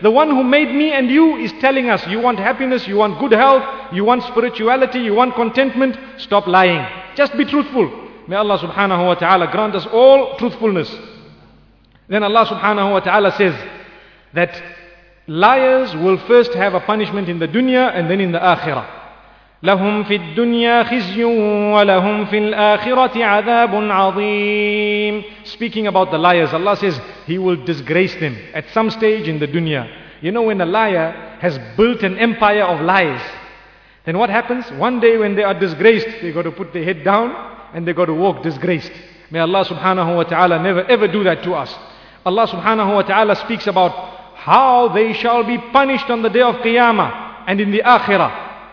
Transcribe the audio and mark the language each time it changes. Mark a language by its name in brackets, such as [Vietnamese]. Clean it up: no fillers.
[English] The one who made me and you is telling us, you want happiness, you want good health, you want spirituality, you want contentment. Stop lying. Just be truthful. May Allah subhanahu wa ta'ala grant us all truthfulness. Then Allah subhanahu wa ta'ala says that liars will first have a punishment in the dunya and then in the akhirah. [Arabic] لهم في الدنيا خزي ولهم في الآخرة عذاب عظيم. [English] Speaking about the liars, Allah says He will disgrace them at some stage in the dunya. You know, when a liar has built an empire of lies, then what happens? One day when they are disgraced, they got to put their head down and they got to walk disgraced. May Allah subhanahu wa ta'ala never ever do that to us. Allah subhanahu wa ta'ala speaks about how they shall be punished on the day of Qiyamah and in the Akhirah.